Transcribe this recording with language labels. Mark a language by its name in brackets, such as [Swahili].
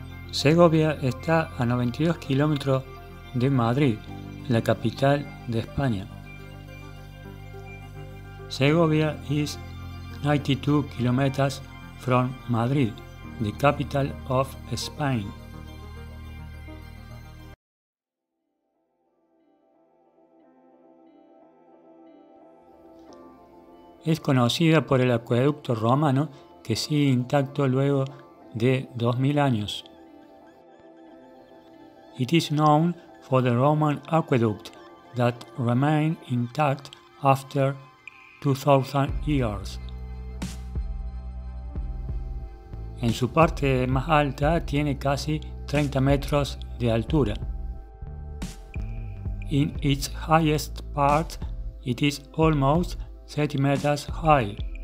[Spanish] Segovia está a 92 kilómetros de Madrid, la capital de España. [English] Segovia is 92 kilometers from Madrid, the capital of Spain. [Spanish] Es conocida por el acueducto romano que sigue intacto luego de 2000 años. [English] It is known for the Roman aqueduct that remained intact after 2000 years. [Spanish] En su parte más alta tiene casi 30 metros de altura. [English] In its highest part, it is almost 30 meters high.